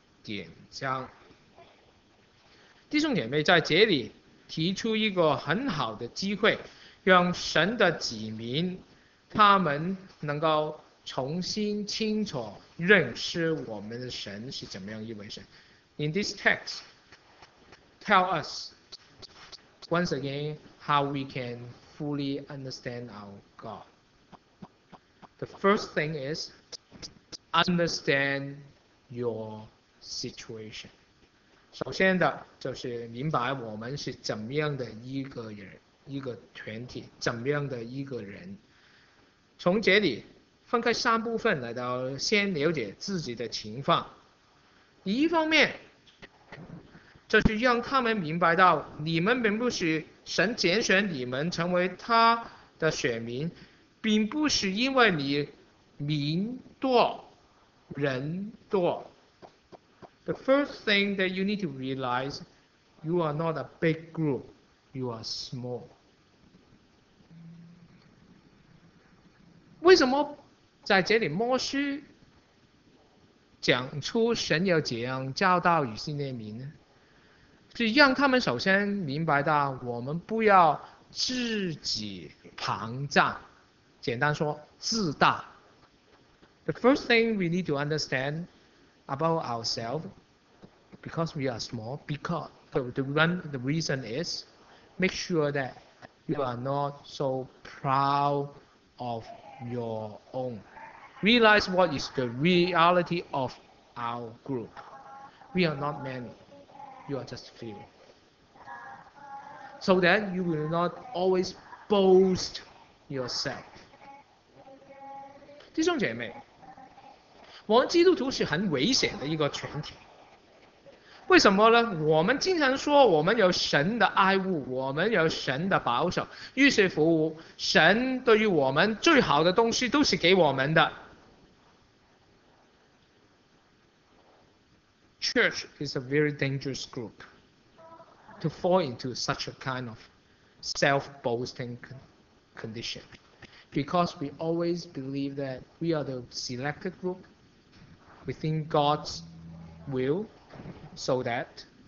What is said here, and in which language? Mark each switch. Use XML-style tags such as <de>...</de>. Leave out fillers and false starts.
<zh>典章，弟兄姐妹在这里提出一个很好的机会，让神的子民他们能够重新清楚认识我们的神是怎么样一回事。</zh> <en>In this text, tell us once again how we can fully understand our God. The first thing is understand your situation，</en> <zh>首先的就是明白我们是怎么样的一个人、一个团体、怎么样的一个人。从这里分开三部分来到，先了解自己的情况。一方面，就是让他们明白到，你们并不是神拣选你们成为他的选民，并不是因为你民多、人多。</zh> <en>The first thing that you need to realize, you are not a big group, you are small.</en> <zh>为什么在这里摩西讲出神要怎样教导以色列民呢？是让他们首先明白到，我们不要自己膨胀，简单说，自大。</zh> <en>The first thing we need to understand about ourselves. Because we are small, because the reason is, make sure that you are not so proud of your own. Realize what is the reality of our group. We are not many, you are just few. So that you will not always boast yourself.</en> <zh>弟兄姐妹，我们基督徒是很危险的一个群体。为什么呢？我们经常说我们有神的爱护，我们有神的保守，于是乎神对于我们最好的东西都是给我们的。</zh> <en>Church is a very dangerous group to fall into such a kind of self-boasting condition, because we always believe that we are the selected group within God's will. So that</en>